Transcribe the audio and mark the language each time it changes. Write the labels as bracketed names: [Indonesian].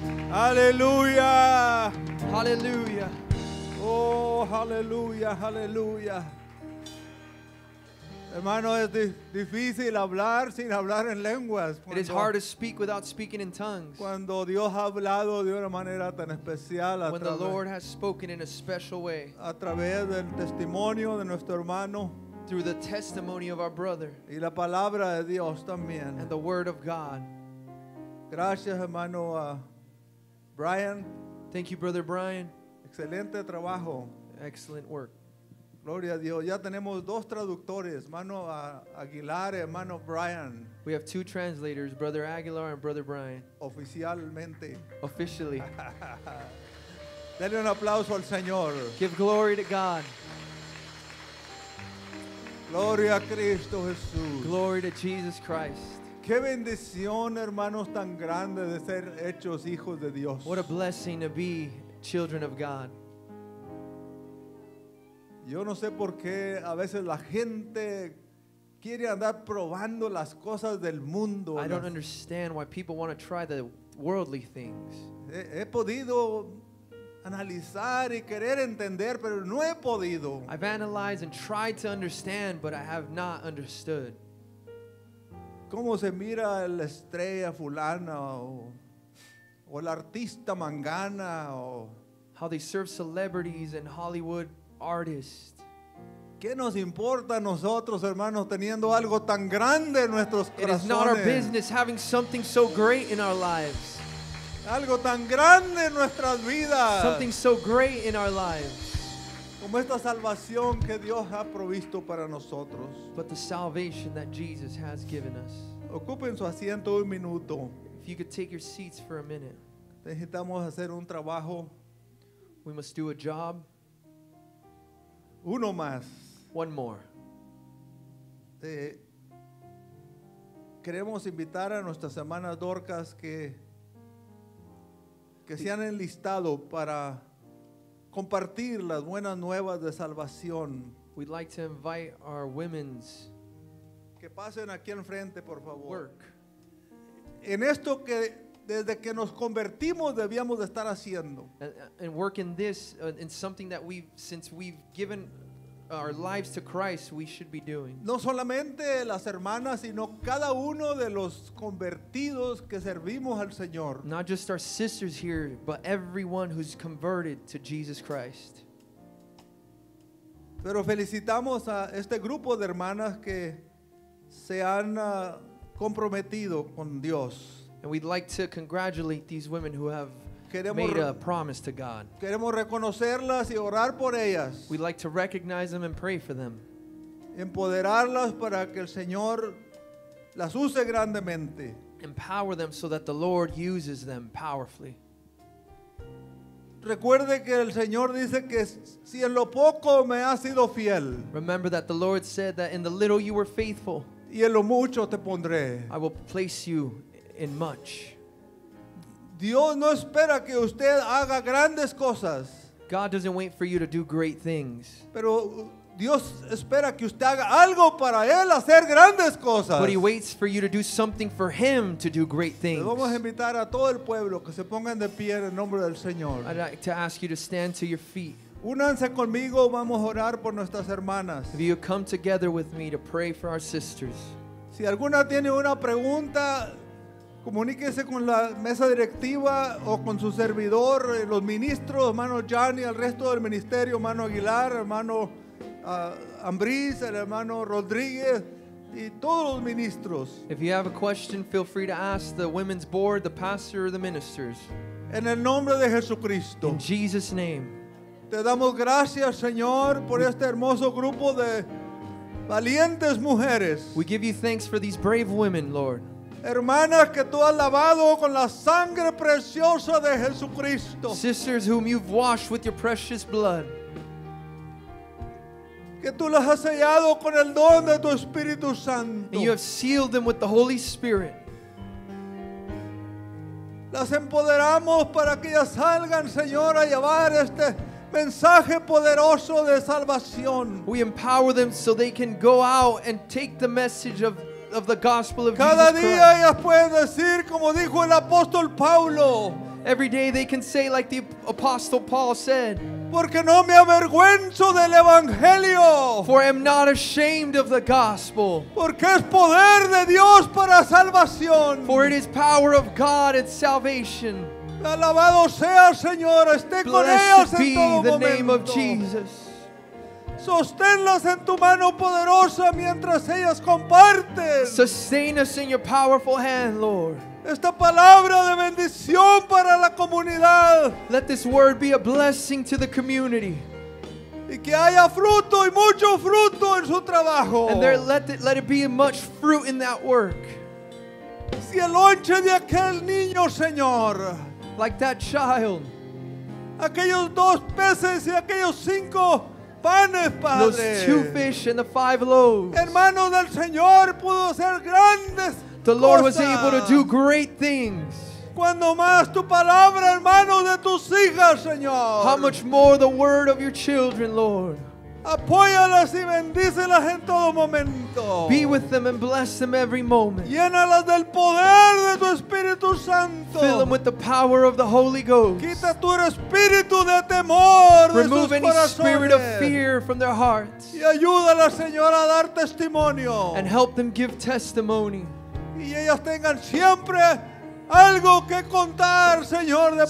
[Spanish] Aleluya, aleluya. Oh, aleluya, aleluya. Hermano, es difícil hablar sin hablar en lenguas. [English] It is hard to speak without speaking in tongues. [Spanish] Cuando Dios ha hablado de una manera tan especial, [English] when the Lord has spoken in a special way, [Spanish] a través del testimonio de nuestro hermano, [English] through the testimony of our brother, [Spanish] y la palabra de Dios también, [English] and the word of God. [Spanish] Gracias, hermano Brian. [English] Thank you, brother Brian. [Spanish] Excelente trabajo. [English] Excellent work. [Spanish] Gloria a Dios. Ya tenemos dos traductores, hermano Aguilar, hermano Brian. [English] We have two translators, brother Aguilar and brother Brian. [Spanish] Oficialmente. [English] Officially. [Spanish] Denle un aplauso al Señor. [English] Give glory to God. [Spanish] Gloria a Cristo Jesús. [English] Glory to Jesus Christ. [Spanish] Qué bendición, hermanos, tan grande de ser hechos hijos de Dios. [English] What a blessing to be children of God. [Spanish] Yo no sé por qué a veces la gente quiere andar probando las cosas del mundo. [English] I don't understand why people want to try the worldly things. [Spanish] He podido analizar y querer entender, pero no he podido. [English] I've analyzed and tried to understand, but I have not understood. [Spanish] ¿Cómo se mira la estrella fulana o el artista mangana o [English] how they serve celebrities in Hollywood? Artist. [Spanish] ¿Qué nos importa a nosotros, hermanos, teniendo algo tan grande en nuestros corazones? [English] It is not our business having something so great in our lives. [Spanish] Algo tan grande en nuestras vidas. [English] Something so great in our lives. [Spanish] Como esta salvación que Dios ha provisto para nosotros. [English] But the salvation that Jesus has given us. [Spanish] Ocupen su asiento un minuto. [English] If you could take your seats for a minute. [Spanish] Necesitamos hacer un trabajo. [English] We must do a job. [Spanish] Uno más. [English] One more. [Spanish] Queremos invitar a nuestras hermanas Dorcas que se han enlistado para compartir las buenas nuevas de salvación. [English] We'd like to invite our women's. [Spanish] Que pasen aquí al frente, por favor. [English] Work. [Spanish] En esto que desde que nos convertimos debíamos de estar haciendo. [English] And work in this in something that we've since we've given our lives to Christ, we should be doing. [Spanish] No solamente las hermanas, sino cada uno de los convertidos que servimos al Señor. [English] Not just our sisters here, but everyone who's converted to Jesus Christ. [Spanish] Pero felicitamos a este grupo de hermanas que se han comprometido con Dios. [English] And we'd like to congratulate these women who have made a promise to God. [Spanish] Queremos reconocerlas y orar por ellas. [English] We'd like to recognize them and pray for them. [Spanish] Empoderarlas para que el Señor las use grandemente. [English] Empower them so that the Lord uses them powerfully. [Spanish] Recuerde que el Señor dice que si en lo poco me has sido fiel. [English] Remember that the Lord said that in the little you were faithful. [Spanish] Y en lo mucho te pondré. [English] I will place you in much. [Spanish] Dios no espera que usted haga grandes cosas. [English] God doesn't wait for you to do great things. [Spanish] Pero Dios espera que usted haga algo para Él hacer grandes cosas. [English] But He waits for you to do something for Him to do great things. [Spanish] Vamos a invitar a todo el pueblo que se pongan de pie en el nombre del Señor. [English] I'd like to ask you to stand to your feet. [Spanish] Únanse conmigo, vamos a orar por nuestras hermanas. [English] If you come together with me to pray for our sisters. [Spanish] Si alguna tiene una pregunta, comuníquese con la mesa directiva o con su servidor, los ministros, hermano Johnny, el resto del ministerio, hermano Aguilar, hermano Ambriz, el hermano Rodríguez y todos los ministros. [English] If you have a question, feel free to ask the women's board, the pastor, or the ministers. [Spanish] En el nombre de Jesucristo. [English] In Jesus' name. [Spanish] Te damos gracias, Señor, por este hermoso grupo de valientes mujeres. [English] We give you thanks for these brave women, Lord. [Spanish] Hermanas que tú has lavado con la sangre preciosa de Jesucristo. [English] Sisters whom you've washed with your precious blood. [Spanish] Que tú las has sellado con el don de tu Espíritu Santo. [English] And you have sealed them with the Holy Spirit. [Spanish] Las empoderamos para que ellas salgan, Señor, a llevar este mensaje poderoso de salvación. [English] We empower them so they can go out and take the message of the gospel of [Spanish] Cada [English] Jesus [Spanish] día [English] Christ. [Spanish] Ellas pueden decir, como dijo el apóstol Pablo, [English] every day they can say, like the apostle Paul said, [Spanish] porque no me avergüenzo del evangelio, [English] for I am not ashamed of the gospel, [Spanish] porque es poder de Dios para salvación, [English] for it is power of God and salvation. [Spanish] Alabado sea, Señor, esté con ellas en todo [English] the name of Jesus. [Spanish] Sosténlas en tu mano poderosa mientras ellas comparten. [English] Sustain us in your powerful hand, Lord. [Spanish] Esta palabra de bendición para la comunidad. [English] Let this word be a blessing to the community. [Spanish] Y que haya fruto y mucho fruto en su trabajo. [English] And there let it be much fruit in that work. [Spanish] Si el lonche de aquel niño, Señor. [English] Like that child. [Spanish] Aquellos dos peces y aquellos cinco panes, Padre. [English] Those two fish and the five loaves. [Spanish] Hermano del Señor pudo hacer grandes [English] The Lord [Spanish] cosas. [English] Was able to do great things. [Spanish] Cuando más tu palabra, hermano de tus hijas, Señor. [English] How much more the word of your children, Lord. [Spanish] Apóyalas y bendícelas en todo momento. [English] Be with them and bless them every moment. [Spanish] Llénalas del poder de tu Espíritu Santo. [English] Fill them with the power of the Holy Ghost. [Spanish] Quita tu espíritu de temor de sus corazones. [English] Remove any spirit of fear from their hearts. [Spanish] Y ayúdalas, Señor, a dar testimonio. [English] And help them give testimony. [Spanish] Y ellas tengan siempre algo que contar, Señor, de parte de ti.